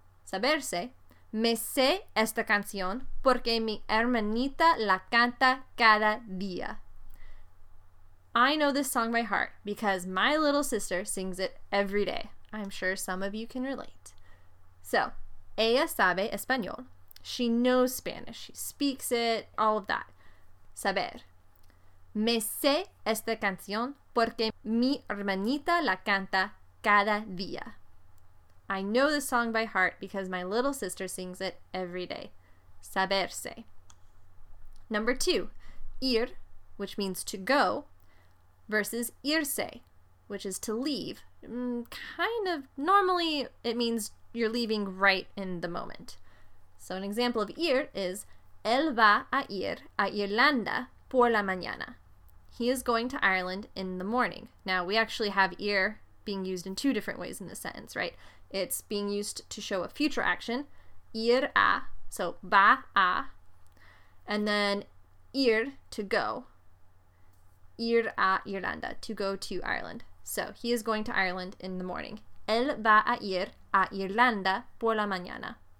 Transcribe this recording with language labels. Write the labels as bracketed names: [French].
[Spanish] Saberse, me sé esta canción porque mi hermanita la canta cada día. [English] I know this song by heart because my little sister sings it every day. I'm sure some of you can relate. So, [Spanish] ella sabe español. [English] She knows Spanish. She speaks it, all of that. Saber. [Spanish] Me sé esta canción porque mi hermanita la canta cada día. [English] I know this song by heart because my little sister sings it every day. Saberse. Number two, ir, which means to go, versus irse, which is to leave. Kind of, normally it means you're leaving right in the moment. So an example of ir is, [Spanish] él va a ir a Irlanda por la mañana. [English] He is going to Ireland in the morning. Now, we actually have ir being used in two different ways in this sentence, right? It's being used to show a future action, ir a, so va a, and then ir, to go. Ir a Irlanda, to go to Ireland. So, he is going to Ireland in the morning. [Spanish] Él va a ir a Irlanda por la mañana.